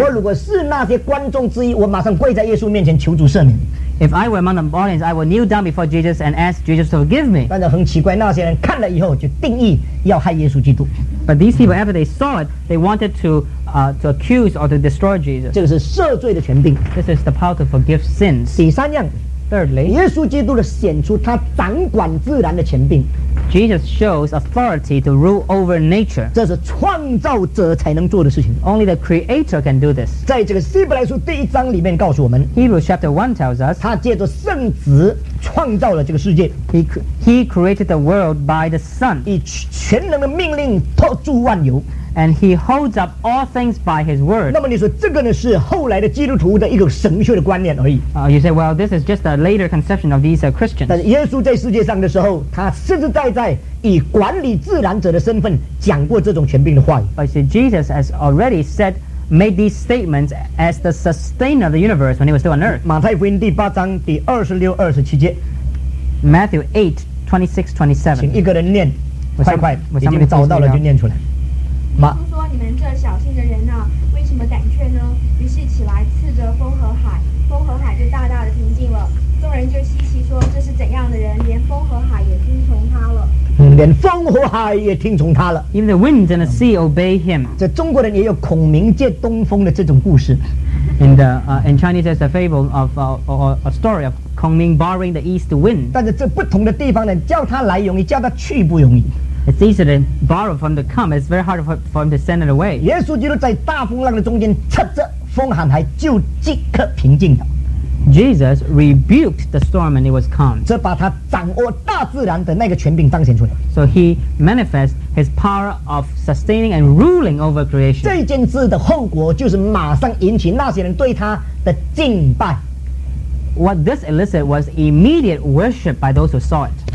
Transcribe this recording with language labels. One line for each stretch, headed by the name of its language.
Chinese: 我如果是那些观众之一，我马上跪在耶稣面前求主赦免。
English: If I were among the audience, I would kneel down before Jesus and ask Jesus to forgive me.
Chinese: 但是很奇怪，那些人看了以后就定义要害耶稣基督。
English: But these people, after they saw it, they wanted to accuse or to destroy Jesus.
Chinese: 这个是赦罪的权柄。
English: This is the power to forgive sins.
Chinese: 第三样。
English: Thirdly,
Chinese: 耶稣基督的显出他掌管自然的权柄。
English: Jesus shows authority to rule over nature.
Chinese: 这是创造者才能做的事情。
English: Only the creator can do this.
Chinese: 在这个希伯来书第一章里面告诉我们。
English: Hebrews chapter 1 tells us.
Chinese: 他借着圣子创造了这个世界。
English: He created the world by the Son.
Chinese: 以全能的命令托住万有。
English: And he holds up all things by his word.
Chinese: 那么你说这个呢是后来的基督徒的一个神学的观念而已。
English: You say, well, this is just a later conception of these Christians.
Chinese: 但是耶稣在世界上的时候，他实实在在以管理自然者的身份讲过这种权柄的话语。
English: But you see, Jesus has already said, made these statements as the sustainer of the universe when he was still on earth.
Chinese: 马太福音第八章第二十六、二十七节。
English: Matthew 8:26-27。
Chinese: 请一个人念，快快，已经找到了就念出来。耶稣说：“你们这小信的人呢、啊，为什么胆怯呢？” 于是起来斥责风和海，风和海就大大的平静了。众人就稀奇说：“这是怎样的人？连风和海也听从他了。” 连风和海也听从他了。
English: Even the winds and the sea obey him。
Chinese: 这中国人也有孔明借东风的这种故事。
English: In the in Chinese, there's a fable of a story of Kong Ming borrowing the east wind。
Chinese: 但是这不同的地方呢，叫他来容易，叫他去不容易。
English: It's easy to borrow from the come. It's very hard for him to send it away.
Chinese: 耶稣基督在大风浪的中间斥责风喊海，就即刻平静了。
English: Jesus rebuked the storm and it was calm.
Chinese: 这把他掌握大自然的那个权柄彰显出来。
English: So he manifests his power of sustaining and ruling over creation.
Chinese: 这件事的后果就是马上引起那些人对他的敬拜。
English: What this elicited was immediate worship by those who saw it.